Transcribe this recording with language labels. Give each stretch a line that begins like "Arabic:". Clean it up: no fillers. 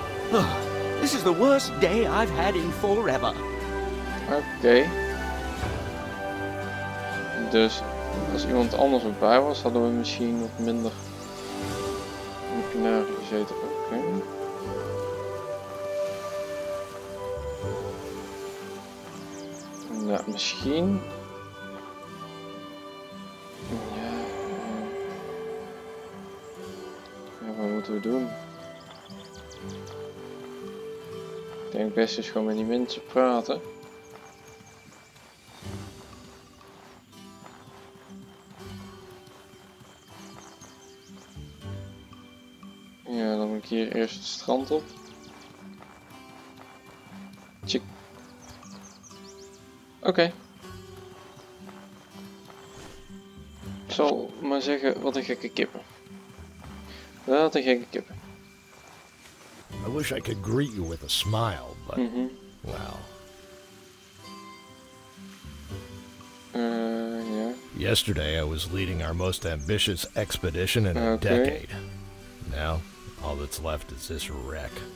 English: Ugh, this is the worst day I've had in forever. Okay.
Dutch: Dus als iemand anders erbij was, hadden we misschien wat minder naar gezeten. Oké. Nou, misschien. Ja, wat moeten we doen? Ik denk best eens gewoon met die mensen praten. Ja, dan moet ik hier eerst het strand op. Check. Oké. Ik zal maar zeggen, wat een gekke kippen. Wat een gekke kippen.
English: I wish I could greet you with a smile, but... Mm-hmm. Well... Yeah. Yesterday, I was leading our most ambitious expedition in a decade. Now, all that's left is this wreck.